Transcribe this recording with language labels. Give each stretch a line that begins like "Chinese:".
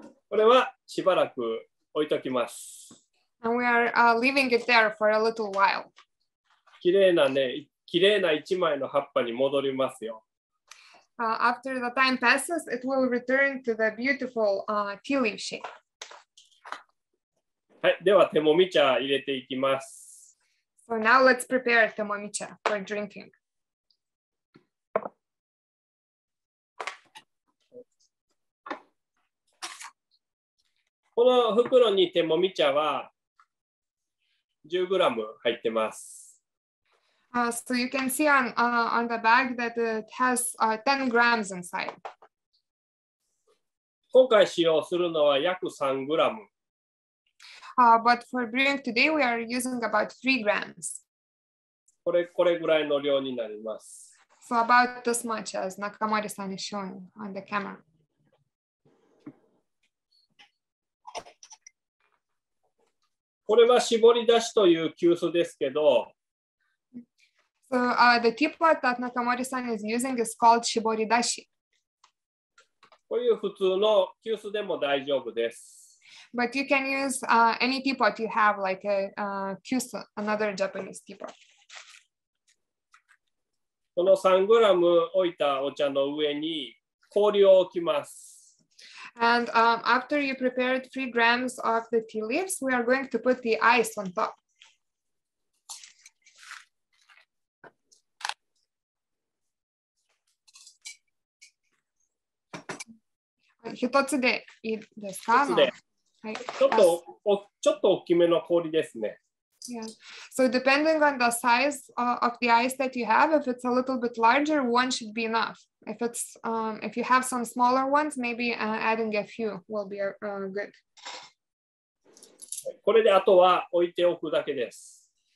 Japanese: これはしばらく置いときます。
English: And we are leaving it there for a little while.
Japanese: きれいなね。きれいな一枚の葉っぱに戻りますよ。
English: After the time passes, it will return to the beautiful tea leaf shape.
Japanese: はい、では手もみ茶入れていきます。
English: So now let's prepare 手もみ茶 for drinking.
Japanese: この袋に手もみ茶は 10g 入ってます。
English: So you can see on the bag that it has 10 grams inside.
Japanese: 今回使用するのは約3グラム。
English: But for brewing today, we are using about 3 grams.
Japanese: これぐらいの量になります。
English: So about this much as Nakamori-san is showing on the camera.
Japanese: これは絞り出しという急須ですけど、
English: So the tea pot that Nakamori-san is using is called shibori dashi. But you can use any teapot you have, like a kyusu, another Japanese teapot.
Japanese: この 3g 置いたお茶の上に氷を置きます。
English: And after you prepared 3 grams of the tea leaves, we are going to put the ice on top.
Japanese: ひとつでいいですか？ちょっと大きめの氷ですね。
English: Yeah. So depending on the size of the ice that you have, if it's a little bit larger, one should be enough. If it's if you have some smaller ones, maybe adding a few will be good.
Japanese: これであとは置いておくだけです。